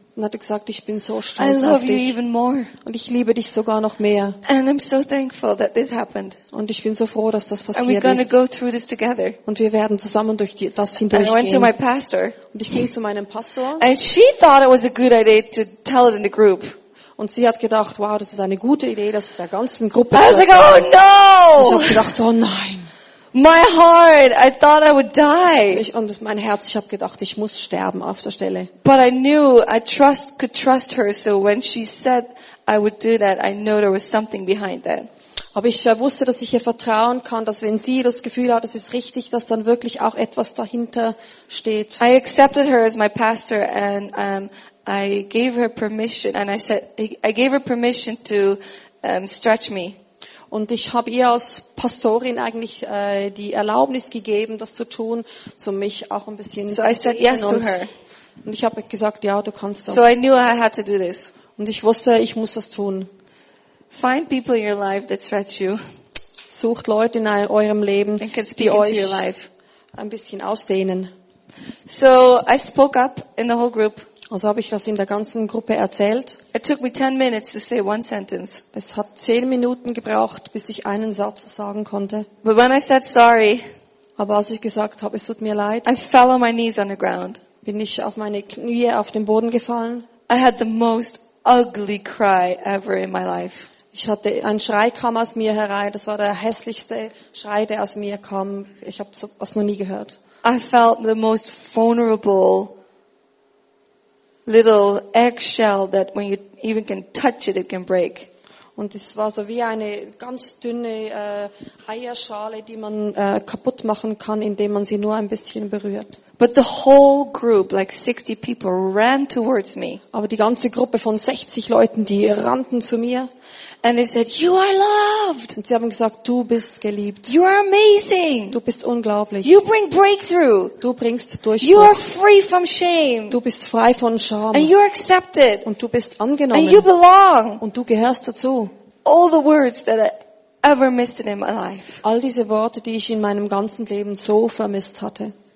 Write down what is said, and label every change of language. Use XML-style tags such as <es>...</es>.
<de>Und hat gesagt, ich bin so stolz auf dich.</de> <en>Even more.</en> <de>Und ich liebe dich sogar noch mehr.</de> <en>And I'm so thankful that this happened.</en> <de>Und ich bin so froh, dass das passiert</de> <en>And we're</en> <de>ist.</de> <en>Go through this together.</en> <de>Und wir werden zusammen durch das hindurchgehen.</de> <en>And I went to my pastor.</en> <de>Und ich ging zu meinem Pastor.</de> <en>And she thought it was a good idea to tell it in the group.</en> <de>Und sie hat gedacht, wow, das ist eine gute Idee, das der ganzen Gruppe.</de> <en>I was like, oh no!</en> <de>Ich habe gedacht, oh nein.</de> <en>My heart, I thought I would die.</en> <de>Und mein Herz, ich habe gedacht, ich muss sterben auf der Stelle.</de> <en>But I knew I could trust her, so when she said I would do that, I know there was something behind that.</en> <de>Aber ich wusste, dass ich ihr vertrauen kann, dass wenn sie das Gefühl hat, es ist richtig, dass dann wirklich auch etwas dahinter steht.</de> <en>I accepted her as my pastor and I gave her permission and I said I gave her permission to stretch me.</en> <de>Und ich habe ihr als Pastorin eigentlich die Erlaubnis gegeben, das zu tun, so mich auch ein bisschen so zu sehen.</de> <en>I said yes to her.</en> <de>Und ich habe gesagt, ja, du kannst das.</de> <en>So I knew I had to do this.</en> <de>Und ich wusste, ich muss das tun.</de> <en>Find people in your life that stretch you.</en> <de>Sucht Leute in eurem Leben, die euch</de> <en>your life.</en> <de>Ein bisschen ausdehnen.</de> <en>So I spoke up in the whole group.</en> <de>Also habe ich das in der ganzen Gruppe erzählt.</de> <en>It took me 10 minutes to say one sentence.</en> <de>Es hat 10 Minuten gebraucht, bis ich einen Satz sagen konnte.</de> <en>But when I said sorry,</en> <de>aber als ich gesagt habe, es tut mir leid,</de> <en>I fell on my knees on the ground.</en> <de>Bin ich auf meine Knie auf den Boden gefallen.</de> <en>I had the most ugly cry ever in my life.</en> <de>Ich hatte ein Schrei kam aus mir herein. Das war der hässlichste Schrei, der aus mir kam. Ich habe sowas noch nie gehört.</de> <en>I felt the most vulnerable. Little eggshell that when you even can touch it, it can break.</en> <de>Und es war so wie eine ganz dünne Eierschale, die man kaputt machen kann, indem man sie nur ein bisschen berührt.</de> <en>But the whole group, like 60 people, ran towards me.</en> <de>Aber die ganze Gruppe von 60 Leuten, die rannten zu mir.</de> <en>And they said, "You are loved."</en> <de>Und sie haben gesagt, du bist geliebt.</de> <en>You are amazing.</en> <de>Du bist unglaublich.</de> <en>You bring breakthrough.</en> <de>Du bringst Durchbruch.</de> <en>You are free from shame.</en> <de>Du bist frei von Scham.</de> <en>And you are accepted.</en> <de>Und du bist angenommen.</de> <en>And you belong.</en> <de>Und du gehörst dazu.</de> <en>All the words that I ever missed in my life.</en> <de>All diese Worte, die ich in meinem ganzen Leben so vermisst hatte.</de>